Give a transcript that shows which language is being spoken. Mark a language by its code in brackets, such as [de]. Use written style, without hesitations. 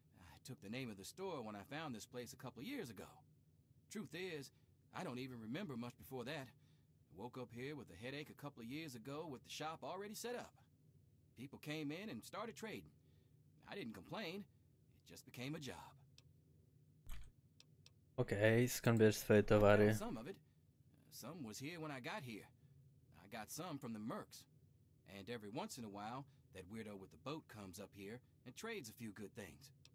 [en] I took the name of the store when I found this place a couple years ago. Truth is, I don't even remember much before that. Woke up here with a headache a couple of years ago with the shop already set up. People came in and started trading. I didn't complain. It just became a job. [pl] Okej, skąd bierz swoje towary? [en] Some of it. Some was here when I got here. I got some from the mercs. And every once in a while, that weirdo with the boat comes up here and trades a few good things.